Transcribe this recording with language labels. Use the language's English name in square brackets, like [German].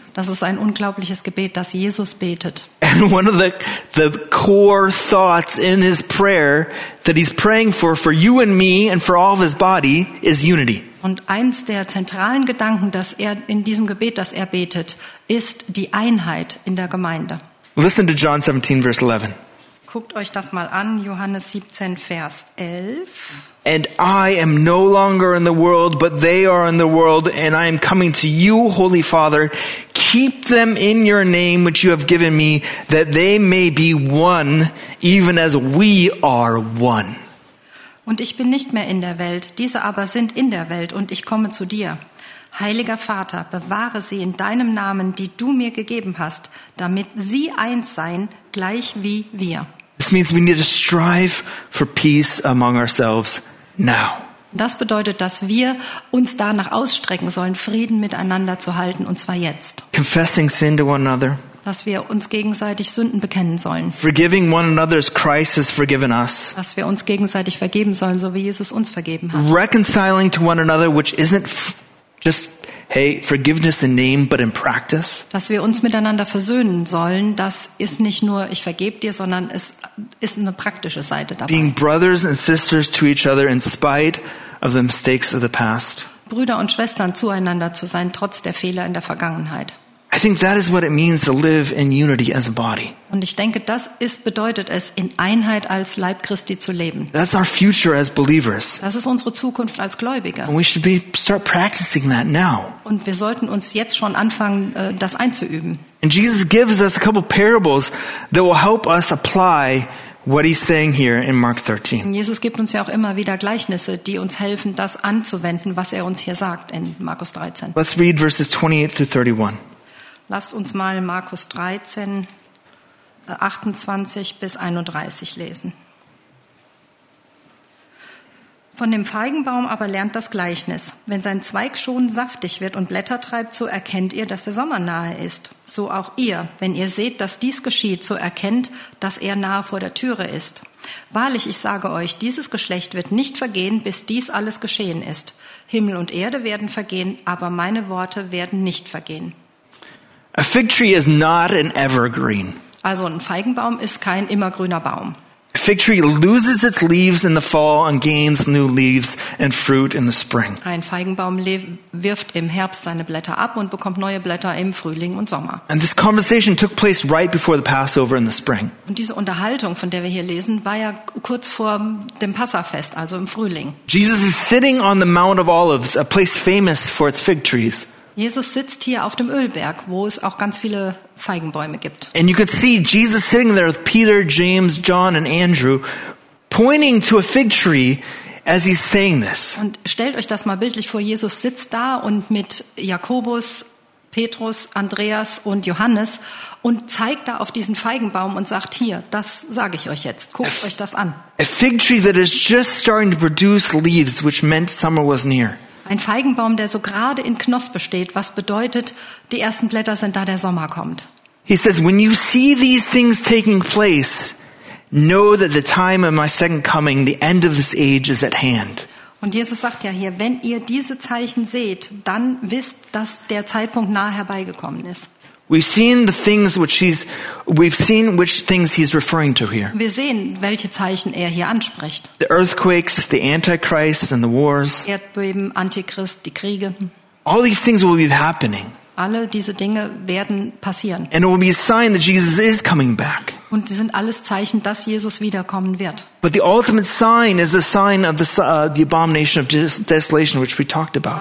[German] Das ist ein unglaubliches Gebet, das Jesus betet. [English] And one of the core thoughts in his prayer that he's praying for you and me and for all of his body is unity. [German] Und eins der zentralen Gedanken, das er in diesem Gebet, das er betet, ist die Einheit in der Gemeinde. [English] Listen to John 17, verse 11. [German] Guckt euch das mal an, Johannes 17, Vers 11. [English] And I am no longer in the world, but they are in the world, and I am coming to you, Holy Father. Keep them in your name, which you have given me, that they may be one, even as we are one. [German] Und ich bin nicht mehr in der Welt, diese aber sind in der Welt und ich komme zu dir. Heiliger Vater, bewahre sie in deinem Namen, die du mir gegeben hast, damit sie eins seien, gleich wie wir. [English] This means we need to strive for peace among ourselves now. [German] Das bedeutet, dass wir uns danach ausstrecken sollen, Frieden miteinander zu halten, und zwar jetzt. [English] Confessing sin to one another. [German] Dass wir uns gegenseitig Sünden bekennen sollen. [English] Forgiving one another as Christ has forgiven us. [German] Dass wir uns gegenseitig vergeben sollen, so wie Jesus uns vergeben hat. [English] Reconciling to one another, which isn't just hey, forgiveness in name, but in practice. [German] Dass wir uns miteinander versöhnen sollen, das ist nicht nur ich vergebe dir, sondern es ist eine praktische Seite dabei. [English] Being brothers and sisters to each other in spite of the mistakes of the past. [German] Brüder und Schwestern zueinander zu sein trotz der Fehler in der Vergangenheit. [English] I think that is what it means to live in unity as a body. [German] Und ich denke, das ist bedeutet es, in Einheit als Leib Christi zu leben. [English] That's our future as believers. [German] Das ist unsere Zukunft als Gläubige. [English] And we should be start practicing that now. [German] Und wir sollten uns jetzt schon anfangen, das einzuüben. [English] And Jesus gives us a couple parables that will help us apply what he's saying here in Mark 13. [German] Und Jesus gibt uns ja auch immer wieder Gleichnisse, die uns helfen, das anzuwenden, was er uns hier sagt in Markus 13. [English] Let's read verses 28 through 31. [German] Lasst uns mal Markus 13, 28 bis 31 lesen. Von dem Feigenbaum aber lernt das Gleichnis. Wenn sein Zweig schon saftig wird und Blätter treibt, so erkennt ihr, dass der Sommer nahe ist. So auch ihr, wenn ihr seht, dass dies geschieht, so erkennt, dass er nahe vor der Türe ist. Wahrlich, ich sage euch, dieses Geschlecht wird nicht vergehen, bis dies alles geschehen ist. Himmel und Erde werden vergehen, aber meine Worte werden nicht vergehen. [English] A fig tree is not an evergreen. [German] Also ein Feigenbaum ist kein immergrüner Baum. [English] A fig tree loses its leaves in the fall and gains new leaves and fruit in the spring. [German] Ein Feigenbaum wirft im Herbst seine Blätter ab und bekommt neue Blätter im Frühling und Sommer. [English] And this conversation took place right before the Passover in the spring. [German] Und diese Unterhaltung, von der wir hier lesen, war ja kurz vor dem Passafest, also im Frühling. [English] Jesus is sitting on the Mount of Olives, a place famous for its fig trees. [German] Jesus sitzt hier auf dem Ölberg, wo es auch ganz viele Feigenbäume gibt. [English] And you could see Jesus sitting there with Peter, James, John and Andrew pointing to a fig tree as he's saying this. [German] Und stellt euch das mal bildlich vor, Jesus sitzt da und mit Jakobus, Petrus, Andreas und Johannes und zeigt da auf diesen Feigenbaum und sagt, hier, das sage ich euch jetzt, guckt euch das an. [English] A fig tree that is just starting to produce leaves, which meant summer was near. [German] Ein Feigenbaum, der so gerade in Knospe steht, was bedeutet, die ersten Blätter sind da, der Sommer kommt. [English] He says, when you see these things taking place, know that the time of my second coming, the end of this age is at hand. [German] Und Jesus sagt ja hier, wenn ihr diese Zeichen seht, dann wisst, dass der Zeitpunkt nahe herbeigekommen ist. [English] We've seen which things he's referring to here. [German] Wir sehen, welche Zeichen er hier anspricht. [English] The earthquakes, the antichrist and the wars. [German] Erdbeben, Antichrist, die Kriege. [English] All these things will be happening. [German] Alle diese Dinge werden passieren. [English] And it will be a sign that Jesus is coming back. [German] Und sie sind alles Zeichen, dass Jesus wiederkommen wird. [English] But the ultimate sign is a sign of the abomination of desolation, which we talked about.